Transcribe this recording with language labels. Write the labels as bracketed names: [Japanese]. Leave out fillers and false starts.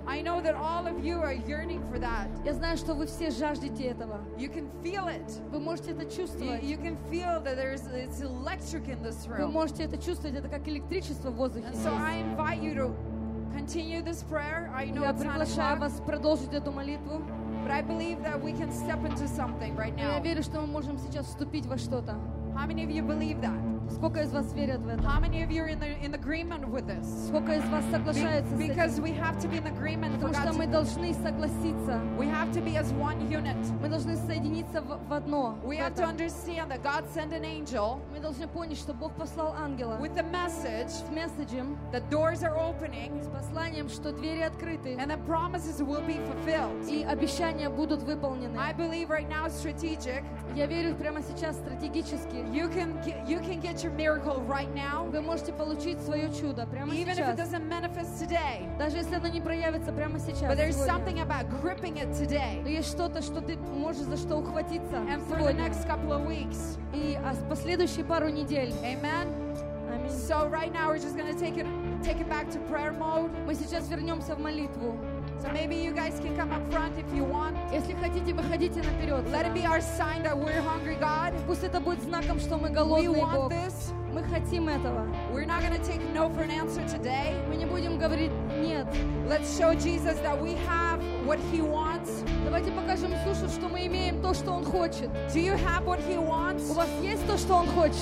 [English] I know that all of you are yearning for that. [Russian] Я знаю, что вы все жаждете этого. [English] You can feel it. [Russian] Вы можете это чувствовать. [English] You can feel that it's electric in this room. [Russian] Вы можете это чувствовать. Это как электричество в воздухе. [English] So I invite you to continue this prayer. I know [Russian] Я приглашаю вас продолжить эту молитву. [English] But I believe that we can step into something right now. [Russian] Я верю, что мы можем сейчас вступить во что-то. [English] How many of you believe that? [Russian] Сколько из вас верят в это? [English] How many of you are in agreement with this? [Russian] Сколько из вас соглашается с этим? [English] Because we have to be in agreement. [Russian] Потому что мы должны согласиться. [English] We have to be as one unit. [Russian] Мы должны соединиться в одно. [English] We have to understand that God sent an angel. [Russian] Мы должны понять, что Бог послал ангела. [English] With the message. [Russian] С месседжем. [English] The doors are opening. [Russian] С посланием, что двери открыты. [English] And the promises will be fulfilled. [Russian] И обещания будут выполнены. [English] I believe right now strategic. [Russian] Я верю прямо сейчас стратегически. [English] You can get your miracle right now. [Russian] Вы можете получить своё чудо прямо сейчас. [English] Even if it doesn't manifest today. [Russian] Даже если оно не проявится прямо сейчас. [English] But there's something about gripping it today. [Russian] Есть что-то, что ты можешь за что ухватиться. [English] And for the next couple of weeks. [Russian] И последующие пару недель. [English] Amen. Amen. So right now we're just going to take it back to prayer mode. [Russian] Мы сейчас вернёмся в молитву. [English] So maybe you guys can come up front if you want. [Russian] Если хотите, выходите наперед. [English] Let it be our sign that we're hungry, God. [Russian] Пусть это будет знаком, что мы голодные, [English] Бог. We want this. [Russian] Мы хотим этого. [English] We're not going to take no for an answer today. [Russian] Мы не будем говорить нет. [English] Let's show Jesus that we have what He wants. [Russian] Давайте покажем Иисусу, что мы имеем то, что Он хочет. [English] Do you have what He wants? [Russian] У вас есть то, что Он хочет?